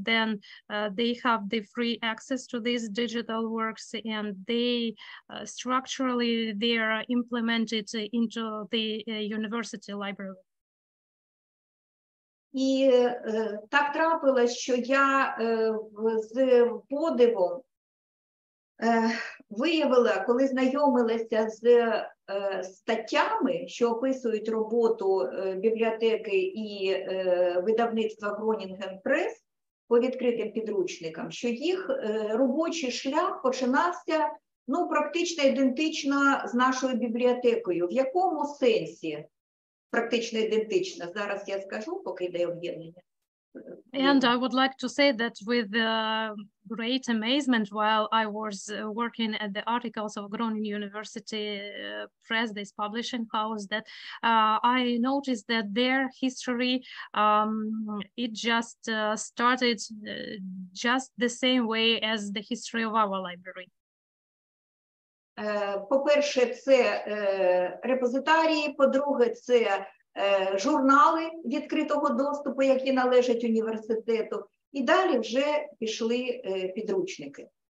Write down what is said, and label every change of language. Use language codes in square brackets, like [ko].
[en] Then they have the free access to these digital works, and they structurally they are implemented into the university library. [uk] І так трапилось, що я з подивом виявила, коли знайомилася з статтями, що описують роботу бібліотеки і видавництва Гронінген прес по відкритим підручникам, що їх робочий шлях починався практично ідентично з нашою бібліотекою. В якому сенсі? Практично ідентично. Зараз я скажу, поки йде об'єднання. [en] And I would like to say that with great amazement, while I was working at the articles of Groningen University Press, this publishing house, that I noticed that their history, it just started just the same way as the history of our library. [uk] По-перше, це репозитарії, по-друге, це журнали відкритого доступу, які належать університету, і далі вже пішли підручники.